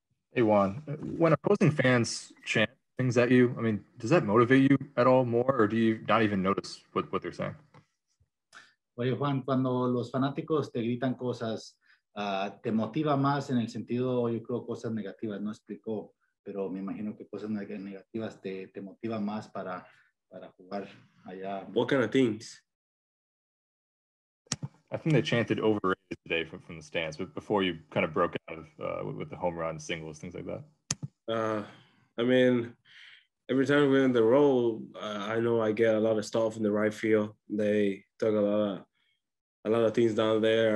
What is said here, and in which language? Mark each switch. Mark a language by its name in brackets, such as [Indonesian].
[English] Hey, Juan, when opposing fans chant things at you, I mean, does that motivate you at all more, or do you not even notice what they're saying? [Spanish] Oye, Juan, cuando los fanáticos te gritan cosas, te motiva más en el sentido, yo creo, cosas negativas, no explicó, pero me imagino que cosas negativas te motiva más para jugar allá. [English] What kind of things? I think they chanted overrated today from the stands, but before you kind of broke out of with the home run, singles, things like that. I mean, every time we're in the role, I know I get a lot of stuff in the right field. They talk a lot of things down there.